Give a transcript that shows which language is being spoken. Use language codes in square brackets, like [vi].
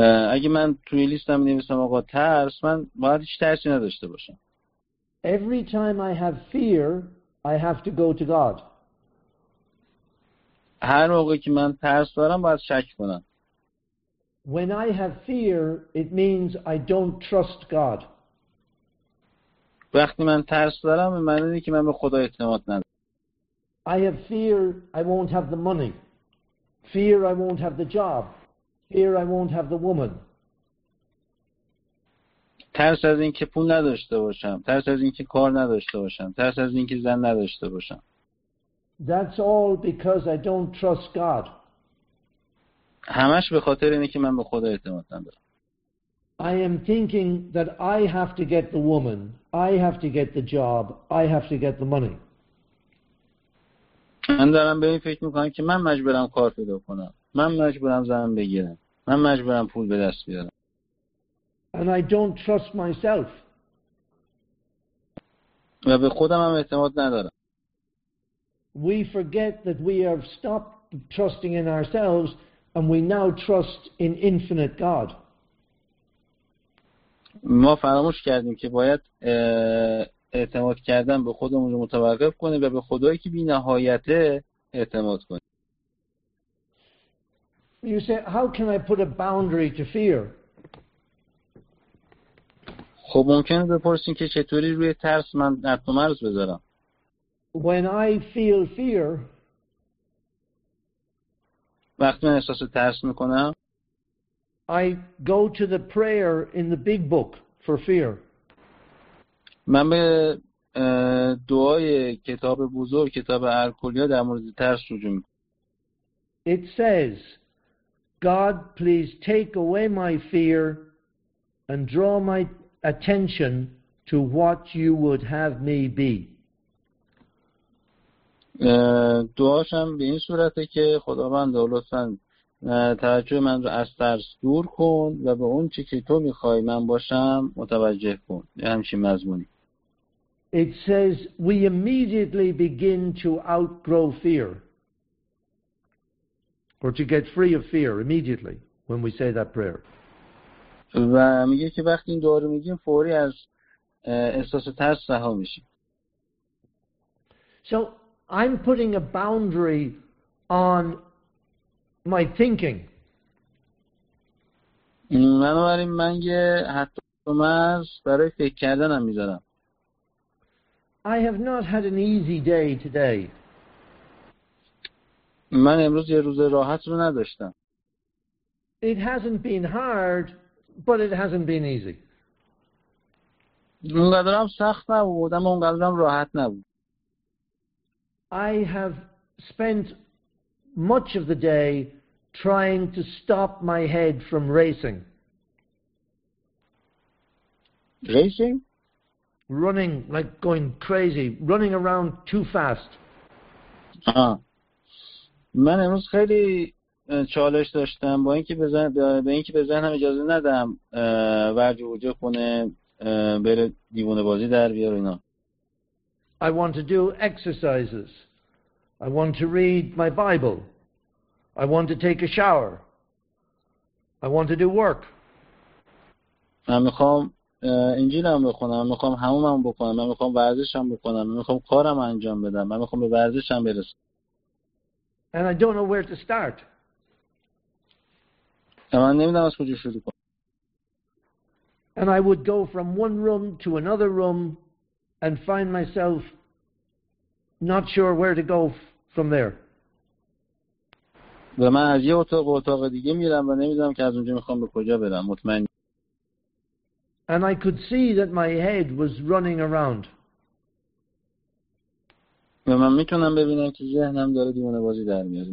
[fa] اگه من توی لیستم نمیستم آقا ترس من باید هیچ ترسی نداشته باشم. [en] Every time I have fear, I have to go to God. [fa] هر موقع که من ترس دارم باید شک کنم. [en] When I have fear, it means I don't trust God. [fa] وقتی من ترس دارم معنی اینه که من به خدا اعتماد ندارم. [en] I have fear I won't have the money. Fear I won't have the job. Fear I won't have the woman. [fa] ترس از اینکه پول نداشته باشم، ترس از اینکه کار نداشته باشم، ترس از اینکه زن نداشته باشم. [en] That's all because I don't trust God. [fa] همش به خاطر اینه که من به خدا اعتماد ندارم. [en] I am thinking that I have to get the woman, I have to get the job, I have to get the money. [fa] من دارم به این فکر میکنم که من مجبورم کار پیدا کنم. من مجبورم زن بگیرم. من مجبورم پول به دست بیارم. [en] And I don't trust myself. [fa] و به خودم هم اعتماد ندارم. [en] We forget that we have stopped trusting in ourselves and we now trust in infinite God. [fa] ما فراموش کردیم که باید اعتماد کردن به خودمون رو متوقف کنیم و به خدایی که بی نهایته اعتماد کنیم. [en] You say, how can I put a boundary to fear? [fa] خب ممکنه بپرسین که چطوری روی ترس من حد و مرز بذارم. [en] When I feel fear, [fa] وقتی من احساس ترس میکنم, [en] I go to the prayer in the big book for fear. [fa] من به دعای کتاب بزرگ کتاب الکلیا در مورد ترس رجوع میکنم. [en] It says, God, please take away my fear and draw my attention to what you would have me be. [fa] دعاشم به این صورته که خداوند لطفاً توجه من رو از ترس دور کن و به اون چی که تو میخوای من باشم متوجه کن. یه همچین مضمونی. [en] It says we immediately begin to outgrow fear or to get free of fear immediately when we say that prayer. [fa] و میگه که وقتی این دعا رو میگیم فوری از احساس ترس رها میشیم. [en] So I'm putting a boundary on my thinking. [fa] بنابراین من یه حد و مرز برای فکر کردنم میذارم. [en] I have not had an easy day today. [fa] من امروز یه روز راحت رو نداشتم. [en] It hasn't been hard, but it hasn't been easy. [fa] اونقدرم سخت نبود، اما اونقدرم راحت نبود. [en] I have spent much of the day trying to stop my head from racing. Racing? Running, like going crazy, running around too fast. [fa] من امروز خیلی چالش داشتم با اینکه به ذهنم اجازه ندم ورج وجه کنه بره دیوونه بازی در بیار اینا. [en] I want to do exercises. I want to read my Bible. I want to take a shower. I want to do work. [fa] من میخوام انجیلم بخونم. من میخوام حمومم بکنم. من میخوام ورزشم بکنم. من میخوام کارم انجام بدم. من میخوام به ورزشم برسم. [en] And I don't know where to start. [fa] من نمیدونم از کجا شروع کنم. [en] And I would go from one room to another room and find myself not sure where to go from there. [fa] و من از یه اتاق به اتاق دیگه میرم و نمیدونم که از اونجا میخوام به کجا برم. مطمئن. [en] And I could see that my head was running around. [fa] و من میتونم ببینم که ذهنم داره دیوانه بازی در میاره.